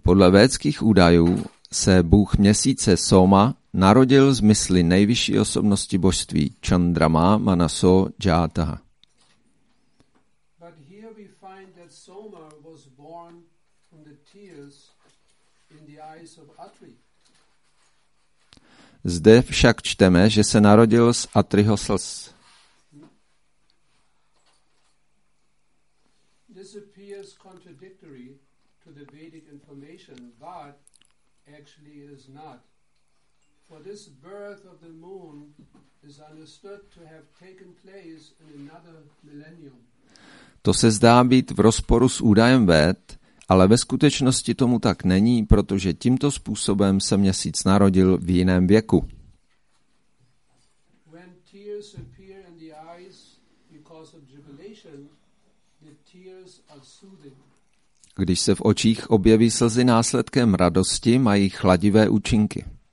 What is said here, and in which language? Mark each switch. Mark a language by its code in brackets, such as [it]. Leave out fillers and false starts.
[cs] Podle védských údajů se Bůh měsíce Soma narodil z mysli nejvyšší osobnosti božství [sa] Chandrama Manaso Jataha. [en] But here we find that Soma was born from the tears in the eyes of Atri. [cs] Zde však čteme, že se narodil z Atriho slz. [en] This appears contradictory to the Vedic information, but actually is not. For this birth of the moon is understood to have taken place in another millennium. [cs] To se zdá být v rozporu s údajem Véd, ale ve skutečnosti tomu tak není, protože tímto způsobem se měsíc narodil v jiném věku. [en] When tears appear in the eyes because of jubilation, the tears are soothing. [cs] Když se v očích objeví slzy následkem radosti, mají chladivé účinky.